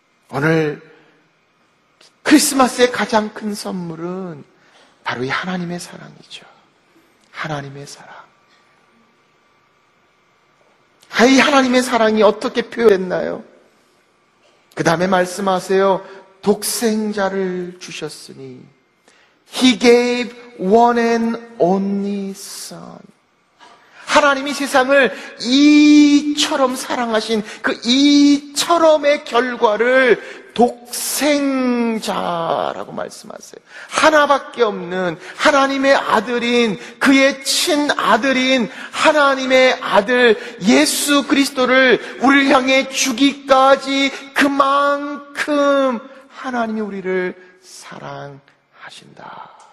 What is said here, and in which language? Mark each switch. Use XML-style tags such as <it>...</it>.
<ko>오늘 크리스마스의 가장 큰 선물은 바로 이 하나님의 사랑이죠. 하나님의 사랑. 이 하나님의 사랑이 어떻게 표현됐나요? 그 다음에 말씀하세요. 독생자를 주셨으니</ko> <en>He gave one and only son.</en> <ko>하나님이 세상을 이처럼 사랑하신 그 이처럼의 결과를 독생자라고 말씀하세요. 하나밖에 없는 하나님의 아들인 그의 친아들인 하나님의 아들 예수 그리스도를 우리를 향해 주기까지 그만큼 하나님이 우리를 사랑하신다.</ko>